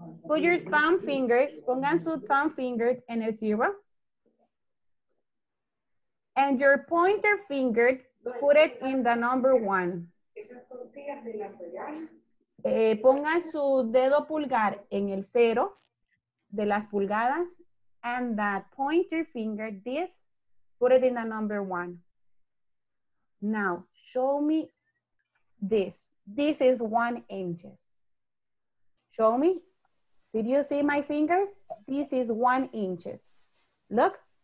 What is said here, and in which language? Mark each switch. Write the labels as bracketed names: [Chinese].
[English] Put your thumb finger, [Spanish] pongan su [English] thumb finger [Spanish] en el 0. [English] And your pointer finger, put it in the number 1. [Spanish] Ponga su dedo pulgar en el 0 de las pulgadas. [English] And that pointer finger, this, put it in the number 1. Now, show me this. This is 1 inches. Show me. Did you see my fingers? This is 1 inches. Look.